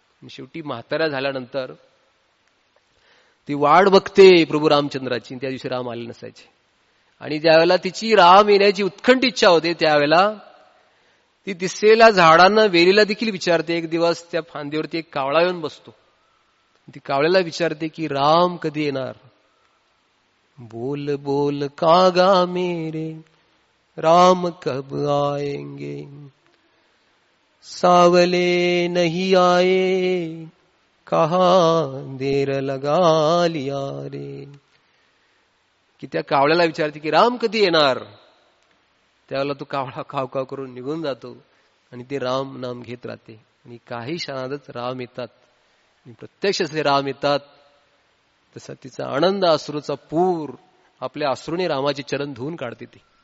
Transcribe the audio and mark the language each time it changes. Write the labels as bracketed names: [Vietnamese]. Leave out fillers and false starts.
[Marathi] शेवटी म्हातारा झाल्यानंतर ती वाट बघते प्रभू रामचंद्राची, त्या दिवशी राम आले नसायचे. आणि ज्यावेळेला तिची राम येण्याची उत्खंड इच्छा होते त्यावेळेला ती दिसलेल्या झाडांना वेलीला देखील विचारते. एक दिवस त्या फांदीवरती एक कावळा येऊन बसतो, ती कावळ्याला विचारते की राम कधी येणार. [Hindi] बोल बोल कागा मेरे राम कब आएंगे, सावले नहीं आए कहा देर लगा लिया रे. [Marathi] कि त्या कावळ्याला विचारते की राम कधी येणार, त्यावेळेला तो कावळा खाव खाव करून निघून जातो आणि ते राम नाम घेत राहते. आणि काही क्षणातच राम येतात, प्रत्यक्ष असे राम येतात. तसा तिचा आनंद अश्रूचा पूर आपल्या अश्रूने रामाचे चरण धुवून काढते ती.